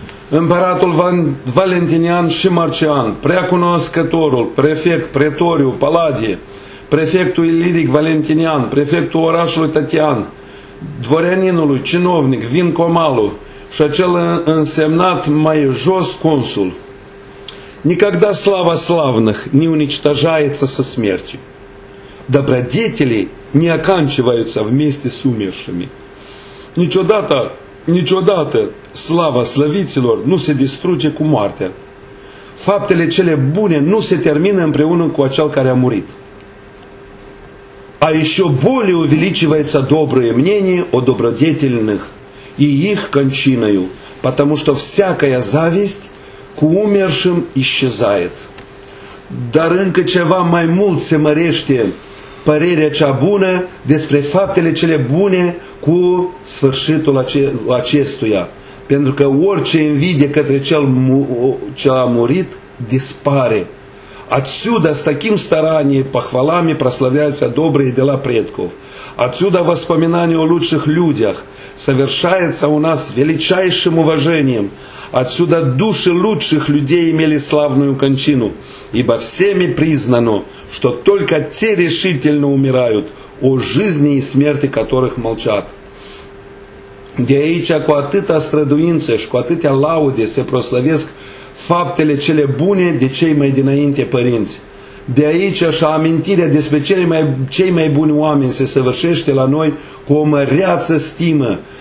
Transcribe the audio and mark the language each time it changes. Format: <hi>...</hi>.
<ro>Împăratul Valentinian și Marcian, preacunoscătorul, prefect, pretoriu, paladie, prefectul iliric Valentinian, prefectul orașului Tatian, dvoreaninului, cinovnic, Vincomalu și acel însemnat mai jos consul.</ro> <ru>Никогда слава славных не уничтожается со смертью. Добродетели не оканчиваются вместе с умершими.</ru> <ro>Niciodată</ro> <ru>слава славителор</ru> <ro>nu se distruge cu moartea. Faptele cele bune nu se termină împreună cu acel care a murit.</ro> <ru>А еще более увеличивается доброе мнение о добродетельных и их кончиною, потому что всякая зависть к умершим исчезает.</ru> <ro>Dar încă ceva mai mult se mărește părerea cea bună despre faptele cele bune cu sfârșitul acestuia, pentru că orice invidie către cel ce a murit dispare.</ro> <ru>Отсюда с таким старанием, похвалами прославляются добрые дела предков. Отсюда воспоминания о лучших людях совершается у нас величайшим уважением. Отсюда души лучших людей имели славную кончину, ибо всеми признано, что только те решительно умирают, о жизни и смерти которых молчат.</ru> <ro>De aici, cu atâta străduință și cu atâtea laude se proslăvesc faptele cele bune de cei mai dinainte părinți. De aici așa amintirea despre cei mai buni oameni se săvârșește la noi cu o măreață stimă.</ro>